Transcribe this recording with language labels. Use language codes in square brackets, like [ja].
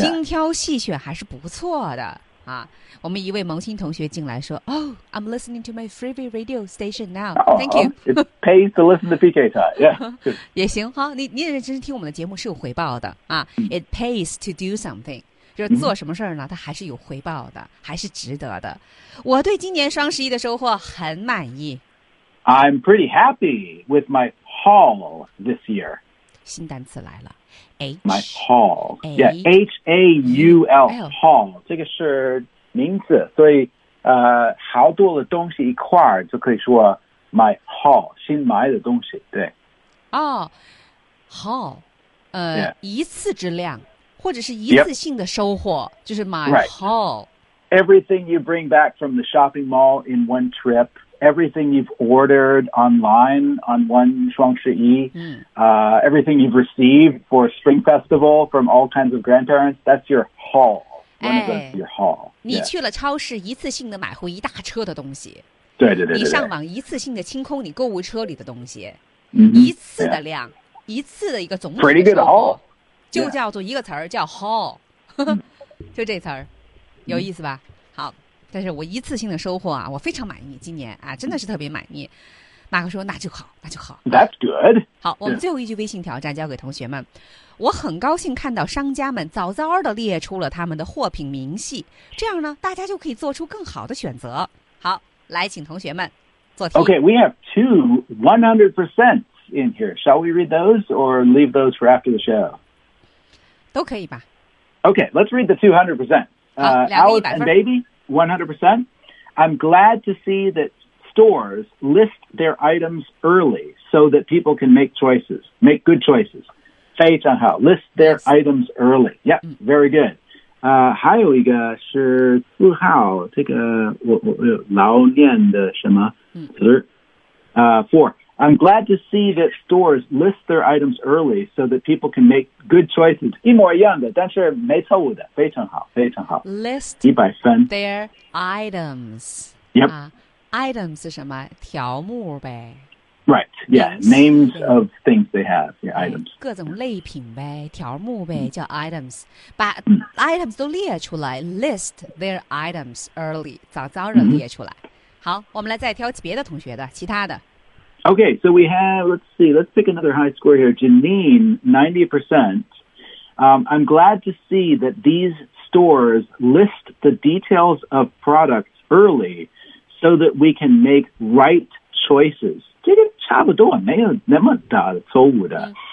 [zh] 精挑细选还是不错的。啊，我们一位萌新同学进来说 ， [en] Oh, I'm listening to my freebie radio station now. Thank you. It pays to listen to PK time. Yeah, [zh] 也行哈，你认真听我们的节目是有回报的啊。 [en] It pays to do something， [zh] 就是做什么事儿呢？它还是有回报的，还是值得的。我对今年双十一的收获很满意。 [en] I'm pretty happy with my haul this year. [zh] 新单词来了。 [en] My haul, yeah, H-A-U-L, haul. [zh] 这个是名字，所以好多的东西一块儿就可以说 [en] my haul, [zh] 新买的东西，对。 [en] 哦、oh, haul, yeah. [zh] 一次之量，或者是一次性的收获， [en] yep. [zh] 就是 [en] my、 right. haul. Everything you bring back from the shopping mall in one trip. Everything you've ordered online on one 双十一、嗯、 everything you've received for Spring Festival from all kinds of grandparents, that's your haul. One、哎、 of those your haul. [zh] 你去了超市一次性的买回一大车的东西。对对 对, 对, 对。你上网一次性的清空你购物车里的东西。 Mm-hmm, 一次的量、 [en] yeah. [zh] 一次的一个总体的收获。 [en] Pretty good haul. [zh] 就叫做一个词儿叫 haul.、 [en] Yeah. [zh] 就这词儿有意思吧、mm-hmm. 好。但是我一次性的收获啊，我非常满意。今年啊，真的是特别满意。马克说：“那就好，那就好。” [en] That's good. [zh] 好，我们最后一句微信挑战交给同学们。 [en] Yeah. [zh] 我很高兴看到商家们早早的列出了他们的货品明细，这样呢，大家就可以做出更好的选择。好，来，请同学们做题。 [en] Okay, we have two 100% in here. Shall we read those or leave those for after the show? [zh] 都可以吧。 [en] Okay, let's read the 200%. [zh] 好，两个 [en] 100分。Alice and Baby. 100%. I'm glad to see that stores list their items early so that people can make choices, make good choices. [zh] 非常好 [en] list their items early. Yep, very good. [zh] 还有一个是自豪这个我老念的什么词、four. [en] I'm glad to see that stores list their items early so that people can make good choices. [zh] 一模一样的，但是没错误的，非常好，非常好。 [en] List [zh] 100分 [en] their items. Yep.、 [zh] Items 是什么？条目呗。 [en] Right. Yeah. Yes, names of things they have. Yeah, items. [zh] 各种类品呗，条目呗，叫 items. 把 items 都列出来 ， [en] list their items early， [zh] 早早的列出来。好，我们来再挑别的同学的，其他的。 [en] Okay, so we have, let's pick another high score here. Janine, 90%. I'm glad to see that these stores list the details of products early so that we can make right choices. [zh] 这个差不多没有那么大的错误的。